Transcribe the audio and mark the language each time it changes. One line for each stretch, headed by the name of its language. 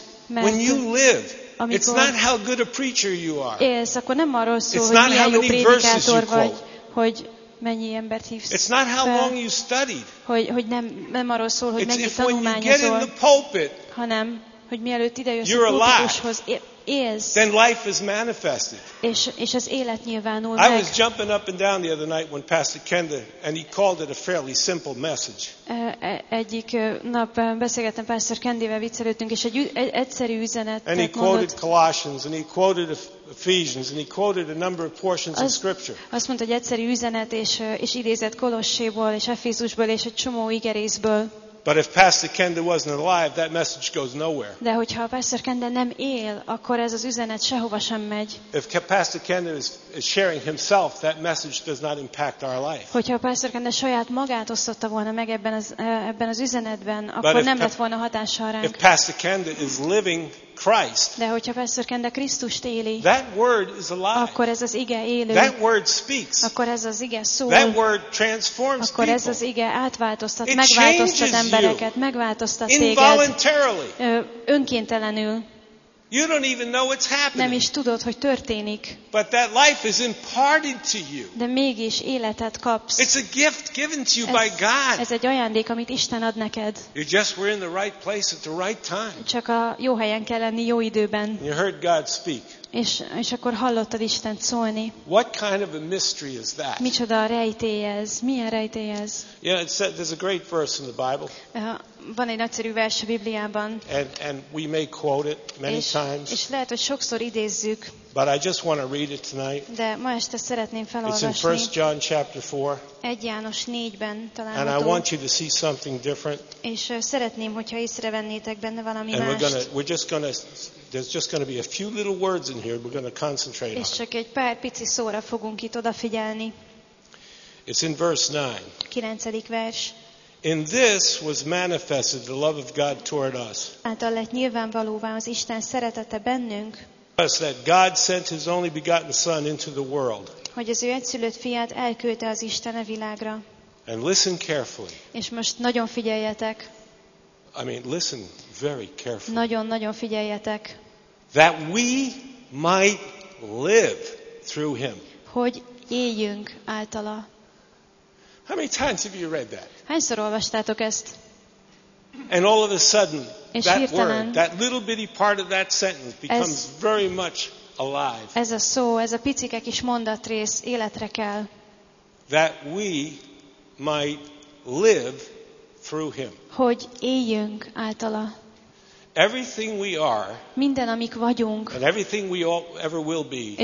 English: mert when you live, it's not how good a preacher you are.
Hungarian: Élsz, akkor nem arról szól, hogy milyen jó prédikátor vagy, hogy mennyi embert hívsz fel.
English: It's not how long you studied.
Hungarian: Hogy nem arról szól, hogy mennyi tanulmányozol, hanem hogy mielőtt idejössz a pulpitushoz, élsz.
English: Then life is manifested.
Hungarian: És az élet nyilvánul
English: I
Hungarian: meg.
English: I was jumping up and down the other night when Pastor Kendra and he called it a fairly simple message.
Hungarian: Egyik nap beszélgettem Pastor Kendivel, viccelődtünk, és egy egyszerű üzenet mondott.
English: And he quoted Colossians and he quoted Ephesians and he quoted a number of portions of scripture.
Hungarian: Azt mondta, egy egyszerű üzenet és idézett Kolosséból és Efézusból és egy csomó igerészből.
English: But if Pastor Kenda wasn't alive, that message goes nowhere.
Hungarian: De hogyha Pastor Kenda nem él, akkor ez az üzenet sehova sem megy.
English: If Pastor Kenda is sharing himself, that message does not impact our life.
Hungarian: Hogyha Pastor Kenda saját magát osztotta volna meg ebben az üzenetben, akkor nem lett volna hatással ránk.
English: If Pastor Kenda is living Christ.
Hungarian: De hogyha Pastor Kenda Krisztust éli.
English: That word is alive.
Hungarian: Akkor ez az ige élő.
English: That word speaks.
Hungarian: Akkor ez az ige szól.
English: That word transforms
Hungarian: akkor
English: people.
Hungarian: Ez az ige átváltoztat, megváltoztat embereket, megváltoztat téged.
English: Involuntarily.
Hungarian: Önkéntelenül.
English: You don't even know what's happening.
Hungarian: Nem is tudod, hogy történik.
English: But that life is imparted to you.
Hungarian: De mégis életet kapsz.
English: It's a gift given to you by God.
Hungarian: Ez egy ajándék, amit Isten ad neked.
English: You just were in the right place at the right time.
Hungarian: Csak a jó helyen kell lenni, jó időben.
English: You heard God speak.
Hungarian: És akkor hallottad Istent szólni.
English: What kind of a mystery is that?
Hungarian: Micsoda rejtély ez? Milyen rejtély ez?
English: Yeah, there's a great verse in the Bible.
Hungarian: Van egy nagyszerű vers a Bibliában.
English: And we may quote it many times.
Hungarian: És lehet, hogy sokszor idézzük.
English: But I just want to read it tonight.
Hungarian: De ma este szeretném felolvasni.
English: It's in 1 John chapter 4.
Hungarian: 1 János 4-ben található.
English: And I want you to see something different.
Hungarian: És szeretném, hogyha észrevennétek benne valami
English: and
Hungarian: mást.
English: There's just going to be a few little words in here we're going to concentrate
Hungarian: on. És csak egy pár pici szóra fogunk itt odafigyelni.
English: It's in verse 9.
Hungarian: 9. vers.
English: In this was manifested the love of God toward us.
Hungarian: Által lett nyilvánvalóvá az Isten szeretete bennünk.
English: That God sent his only begotten son into the world.
Hungarian: Hogy az ő egyszülött fiát elküldte az Isten a világra.
English: And listen carefully.
Hungarian: És most nagyon figyeljetek.
English: I mean, listen very carefully.
Hungarian: Nagyon-nagyon figyeljetek.
English: That we might live through him.
Hungarian: Hogy éljünk általa.
English: How many times have you read that?
Hungarian: Hányszor olvastátok ezt?
English: And all of a sudden, that word, that little bitty part of that sentence becomes very much alive.
Hungarian: Ez a szó, ez a picike kis mondatrész életre kell.
English: That we might live through him.
Hungarian: Hogy éljünk általa.
English: Everything we are,
Hungarian: minden amik vagyunk,
English: and everything we all ever will be,